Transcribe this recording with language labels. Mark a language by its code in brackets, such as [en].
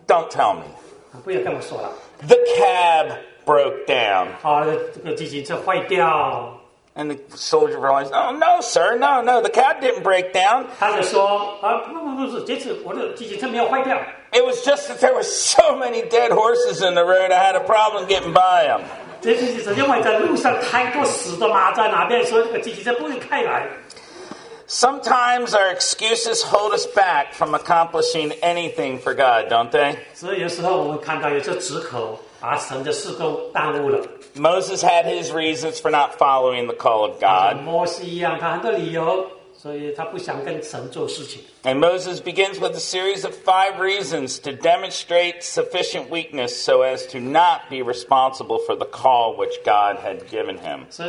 [en] tell me. [zh] 不要跟我说了。 [en] The cab broke down. [zh] 好，这个计程车坏掉。 [en] And the soldier realized, "Oh no, sir! No, no! The cab didn't break down." [zh] 他就说，啊，不，这次我的机器车没有坏掉。 [en] It was just that there were so many dead horses in the road, I had a problem getting by them. [zh] 这次是因为在路上太多死的马在那边，所以这个机器车不能开来。 [en] Sometimes our excuses hold us back from accomplishing anything for God, don't they? [zh] 所以有时候我们看到有些止口，把神的事都耽误了。 [en] Moses had his reasons for not following the call of God. [zh] 摩西一样，他很多理由，所以他不想跟神做事情。 [en] And Moses begins with a series of five reasons to demonstrate sufficient weakness so as to not be responsible for the call which God had given him.